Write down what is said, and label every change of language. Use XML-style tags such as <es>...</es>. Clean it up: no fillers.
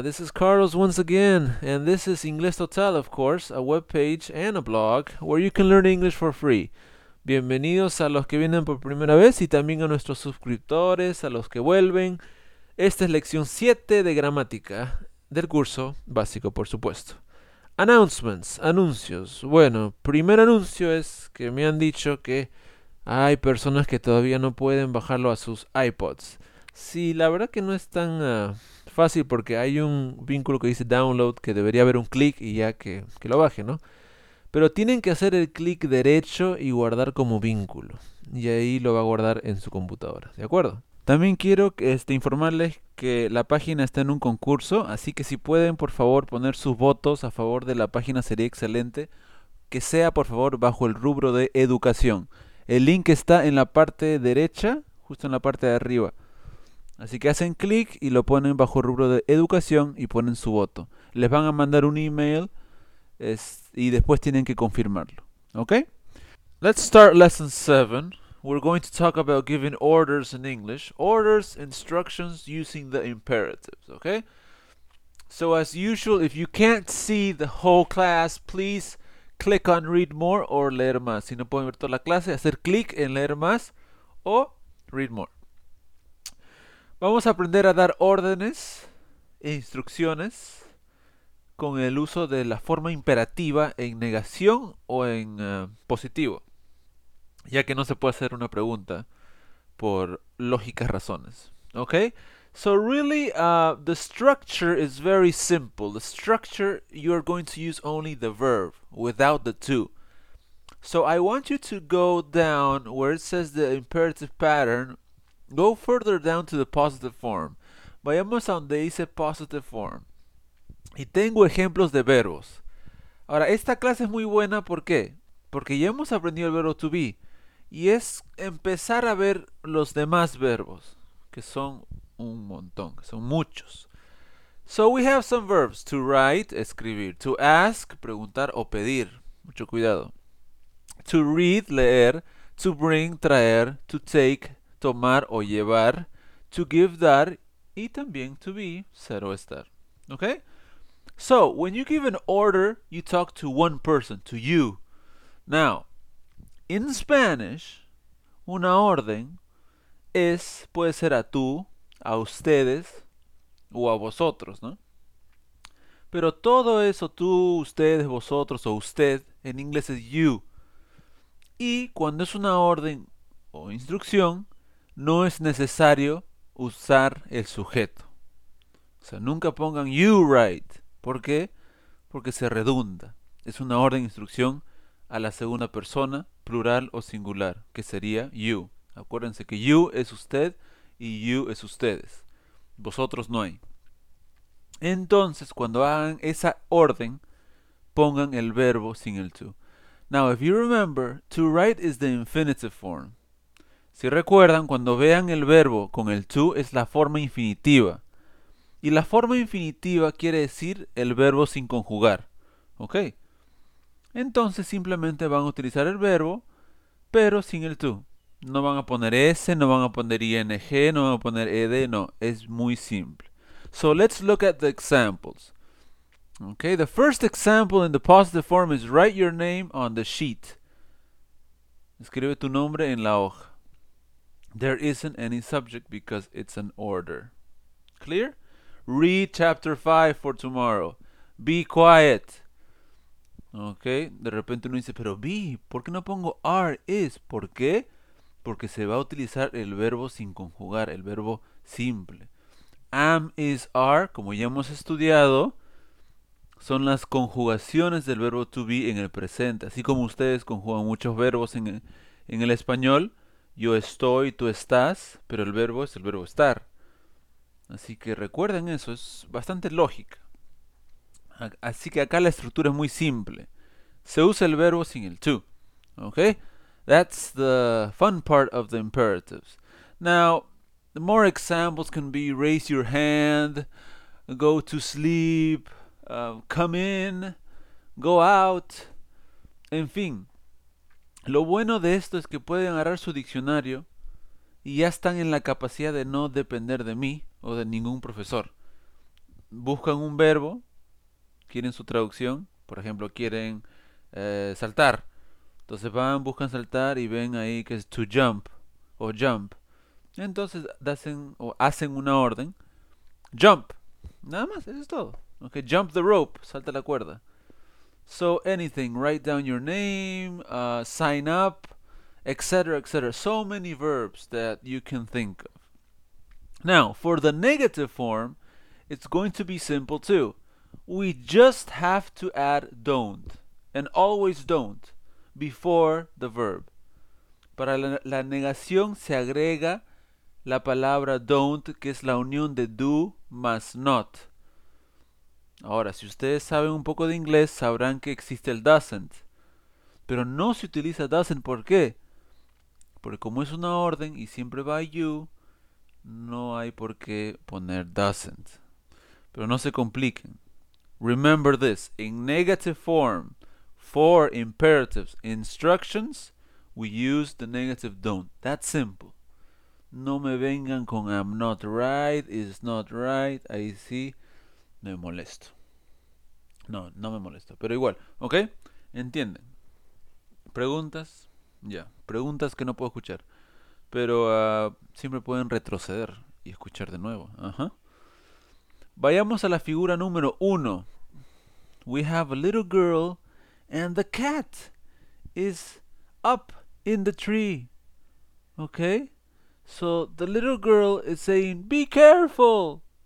<en>This is Carlos once again, and this is Inglés Total, of course, a webpage and a blog where you can learn English for free.</en> <es>Bienvenidos a los que vienen por primera vez y también a nuestros suscriptores, a los que vuelven. Esta es lección 7 de gramática del curso básico, por supuesto. Announcements, anuncios. Bueno, primer anuncio es que me han dicho que hay personas que todavía no pueden bajarlo a sus iPods. Sí, la verdad que no es tan fácil porque hay un vínculo que dice download que debería haber un clic y ya que lo baje, ¿no? Pero tienen que hacer el clic derecho y guardar como vínculo. Y ahí lo va a guardar en su computadora, ¿de acuerdo? También quiero informarles que la página está en un concurso, así que si pueden, por favor, poner sus votos a favor de la página sería excelente. Que sea, por favor, bajo el rubro de educación. El link está en la parte derecha, justo en la parte de arriba. Así que hacen clic y lo ponen bajo el rubro de educación y ponen su voto. Les van a mandar un email y después tienen que confirmarlo. ¿Okay?</es> <en>Let's start lesson 7. We're going to talk about giving orders in English. Orders, instructions using the imperatives. Okay? So as usual, if you can't see the whole class, please click on read more or</en> <es>leer más. Si no pueden ver toda la clase, hacer clic en leer más o</es> <en>read more.</en> <es>Vamos a aprender a dar órdenes e instrucciones con el uso de la forma imperativa en negación o en positivo, ya que no se puede hacer una pregunta por lógicas razones. Okay?</es> <en>So really, the structure is very simple. The structure, you are going to use only the verb without the to. So I want you to go down where it says the imperative pattern. Go further down to the positive form.</en> <es>Vayamos a donde dice positive form. Y tengo ejemplos de verbos. Ahora, esta clase es muy buena, ¿por qué? Porque ya hemos aprendido el verbo to be. Y es empezar a ver los demás verbos. Que son un montón, que son muchos.</es> <en>So we have some verbs. To write,</en> <es>escribir.</es> <en>To ask,</en> <es>preguntar o pedir. Mucho cuidado.</es> <en>To read,</en> <es>leer.</es> <en>To bring,</en> <es>traer.</es> <en>To take,</en> <es>tomar o llevar,</es> <en>to give,</en> <es>dar, y también</es> <en>to be,</en> <es>ser o estar. Okay?</es> <en>So, when you give an order, you talk to one person, to you. Now, in Spanish,</en> <es>una orden puede ser a tú, a ustedes, o a vosotros, ¿no? Pero todo eso, tú, ustedes, vosotros, o usted, en inglés es you. Y cuando es una orden o instrucción, no es necesario usar el sujeto. O sea, nunca pongan you write. ¿Por qué? Porque se redunda. Es una orden, instrucción a la segunda persona, plural o singular, que sería you. Acuérdense que you es usted y you es ustedes. Vosotros no hay. Entonces, cuando hagan esa orden, pongan el verbo sin el to.</es> <en>Now, if you remember, to write is the infinitive form.</en> <es>Si recuerdan, cuando vean el verbo con el to, es la forma infinitiva. Y la forma infinitiva quiere decir el verbo sin conjugar. ¿Ok? Entonces simplemente van a utilizar el verbo, pero sin el to. No van a poner s, no van a poner ing, no van a poner ed, no. Es muy simple.</es> <en>So let's look at the examples. ¿Ok? The first example in the positive form is write your name on the sheet.</en> <es>Escribe tu nombre en la hoja.</es> <en>There isn't any subject because it's an order. Clear? Read chapter 5 for tomorrow. Be quiet.</en> <es>Okay, de repente uno dice, pero be, ¿por qué no pongo are, is? ¿Por qué? Porque se va a utilizar el verbo sin conjugar, el verbo simple. Am, is, are, como ya hemos estudiado, son las conjugaciones del verbo to be en el presente. Así como ustedes conjugan muchos verbos en el español, yo estoy, tú estás, pero el verbo es el verbo estar. Así que recuerden eso, es bastante lógica. Así que acá la estructura es muy simple. Se usa el verbo sin el to. Okay?</es> <en>That's the fun part of the imperatives. Now, the more examples can be raise your hand, go to sleep, come in, go out,</en> <es>en fin. Lo bueno de esto es que pueden agarrar su diccionario y ya están en la capacidad de no depender de mí o de ningún profesor. Buscan un verbo, quieren su traducción, por ejemplo, quieren saltar. Entonces van, buscan saltar y ven ahí que es to jump o jump. Entonces hacen, o hacen una orden. Jump. Nada más, eso es todo. Okay,</es> <en>jump the rope,</en> <es>salta la cuerda.</es> <en>So anything, write down your name, sign up, etc., etc. So many verbs that you can think of. Now, for the negative form, it's going to be simple too. We just have to add don't, and always don't, before the verb.</en> <es>Para la negación se agrega la palabra don't, que es la unión de do más not. Ahora, si ustedes saben un poco de inglés, sabrán que existe el doesn't. Pero no se utiliza doesn't, ¿por qué? Porque como es una orden y siempre va you, no hay por qué poner doesn't. Pero no se compliquen.</es> <en>Remember this. In negative form, for imperatives, instructions, we use the negative don't. That's simple.</en> <es>No me vengan con</es> <en>I'm not right, is not right.</en> <es>Ahí sí me molesto. No, no me molesto. Pero igual, ¿ok? ¿Entienden? ¿Preguntas? Ya. Yeah. Preguntas que no puedo escuchar. Pero siempre pueden retroceder y escuchar de nuevo. Ajá. Vayamos a la figura número 1.</es> <en>We have a little girl and the cat is up in the tree. ¿Ok? So the little girl is saying, "Be careful.</en>